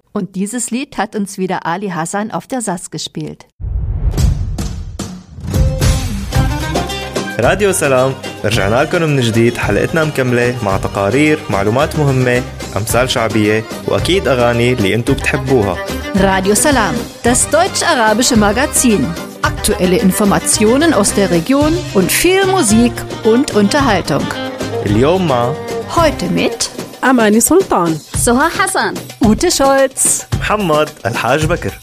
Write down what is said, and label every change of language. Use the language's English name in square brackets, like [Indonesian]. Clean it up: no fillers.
[German] Dieses Lied hat uns wieder Ali Hassan auf der Sass gespielt. [Arabic] Radio Salam, رجعنا لكم من جديد حلقتنا مكملة مع تقارير، معلومات مهمة، أمثال شعبية وأكيد أغاني اللي أنتوا بتحبوها. [German] Radio Salam, das deutsch-arabische Magazin. Aktuelle Informationen aus der Region und viel Musik und Unterhaltung. [Arabic] اليوم مع [German] Heute mit Amani Sultan Soha Hassan Ute Scholz [Arabic] محمد الحاج بكر